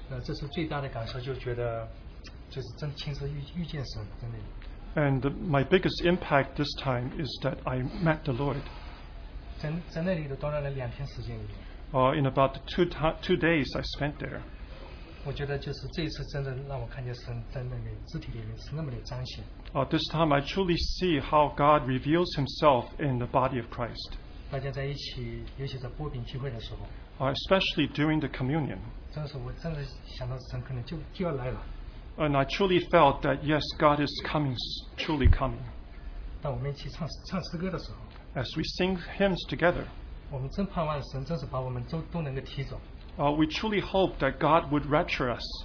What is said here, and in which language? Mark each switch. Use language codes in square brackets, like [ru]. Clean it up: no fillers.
[zh] 这是最大的感受，就觉得就是真亲自遇见神，真的。 [en] And my biggest impact this time is that I met the Lord. [zh] 在那里都短短的两天时间里。 [en] In about two days I spent there. [zh] 我觉得就是这一次真的让我看见神在那个肢体里面是那么的彰显。 [en] This time I truly see how God reveals Himself in the body of Christ. [zh] 大家在一起，尤其在擘饼聚会的时候。 [en] Especially during the communion. And I truly felt that yes, God is coming, truly coming. As we sing hymns together, we truly hope that God would rapture us.